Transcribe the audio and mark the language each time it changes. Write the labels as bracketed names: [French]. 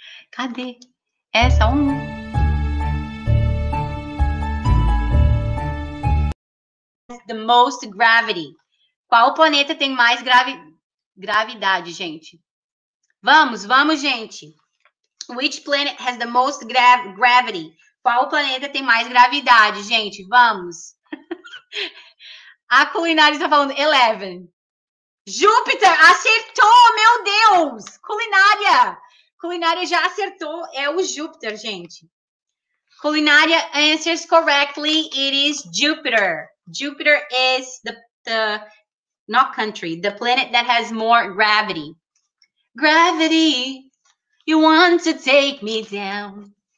[Portuguese] Cadê? Essa um. [English] The most gravity. [Portuguese] Qual planeta tem mais gravidade, gente? Vamos, gente. [English] Which planet has the most gravity? [Portuguese] Qual planeta tem mais gravidade, gente? Vamos. A culinária está falando 11. Júpiter acertou, meu Deus! Culinária! Culinária já acertou, é o Júpiter, gente. [English] Culinária answers correctly, it is Jupiter. Jupiter is the not country, the planet that has more gravity. Gravity, you want to take me down.